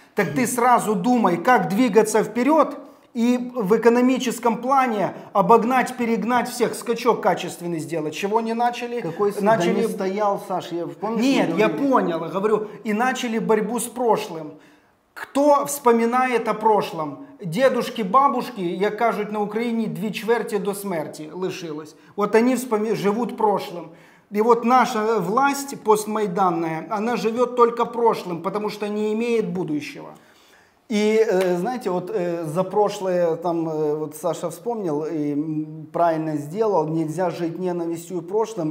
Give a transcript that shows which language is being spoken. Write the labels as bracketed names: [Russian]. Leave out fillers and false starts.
[Russian] Так ты сразу думай, как двигаться вперед и в экономическом плане обогнать, перегнать всех, скачок качественный сделать. Чего не начали? Какой начали... Да не стоял, Саш, я помню. Нет, я понял, говорю, и начали борьбу с прошлым. Кто вспоминает о прошлом? Дедушки, бабушки, [Ukrainian] як кажуть на Україні, дві чверті до смерті лишилось. [Russian] Вот они живут прошлым. И вот наша власть постмайданная, она живет только прошлым, потому что не имеет будущего. И знаете, вот за прошлое, там вот Саша вспомнил и правильно сделал, нельзя жить ненавистью и прошлым.